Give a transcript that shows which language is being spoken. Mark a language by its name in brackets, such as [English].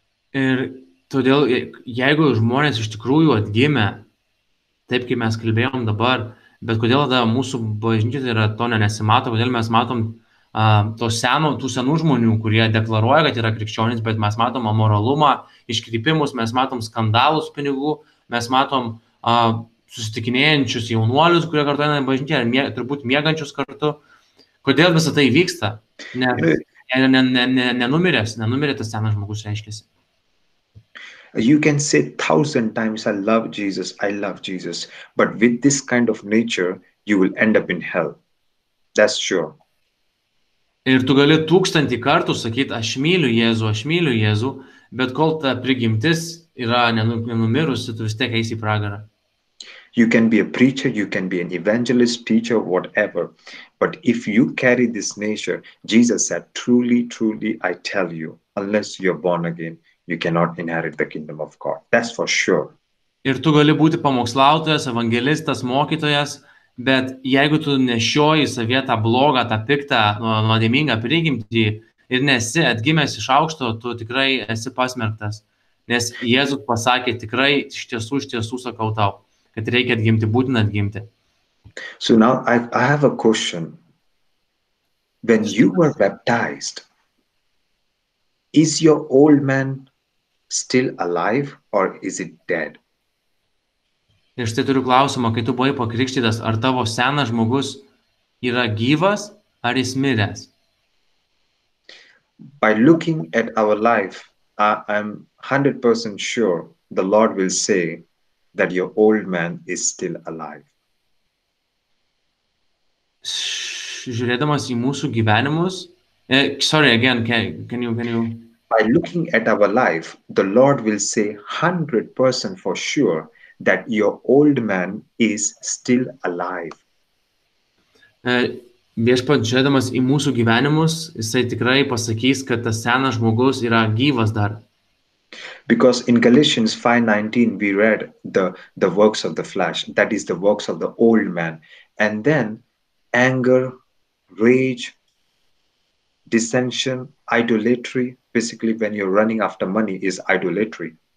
[Lithuanian] Ir todėl, jeigu žmonės iš tikrųjų atgimė, taip kaip mes kalbėjom dabar, bet kodėl tada mūsų bažnyčios yra to nesimato, kodėl mes matom tų senų žmonių, kurie deklaruoja, kad yra krikščionys, bet mes matom amoralumą, iškrypimus, mes matom skandalus pinigų, mes matom susitikinėjančius jaunuolius, kurie kartu eina į bažnyčią, ir turbūt miegančius kartu. Kodėl visa tai vyksta? Nenumirė tas senas žmogus, reiškiasi. [English] You can say 1,000 times, I love Jesus, but with this kind of nature, you will end up in hell. That's sure. [Lithuanian] Ir tu gali 1,000 kartų sakyti, aš myliu Jėzų, bet kol ta prigimtis yra nenumirusi, tu vis tiek eisi į pragarą. [English] You can be a preacher, you can be an evangelist, teacher, whatever, but if you carry this nature, Jesus said, truly, truly, I tell you, unless you're born again, you cannot inherit the kingdom of God. That's for sure. [Lithuanian] Ir tu gali būti pamokslautojas, evangelistas, mokytojas, bet jeigu tu nešioji savyje tą blogą, tą piktą, nuodėmingą prigimtį ir nesi atgimęs iš aukšto, tu tikrai esi pasmerktas Nes Jėzus pasakė tikrai, iš tiesų sakau tau, kad reikia atgimti, būtina atgimti. [English] So now I have a question. When you were baptized, is your old man still alive or is it dead? [Lithuanian] Ir štai turiu klausimą, kai tu buvai pakrikštytas, ar tavo senas žmogus yra gyvas ar jis miręs? [English] By looking at our life, I'm 100% sure the Lord will say that your old man is still alive. [Lithuanian] Žiūrėdamas į mūsų gyvenimus, [English] sorry, again, can you? By looking at our life, the Lord will say 100% for sure that your old man is still alive. [Lithuanian] Viešpats žiūrėdamas į mūsų gyvenimus, jisai tikrai pasakys, kad tas senas žmogus yra gyvas dar. [English] Because in Galatians 5:19 we read the works of the flesh, that is the works of the old man, and then anger, rage, dissension, idolatry, basically when you're running after money is idolatry.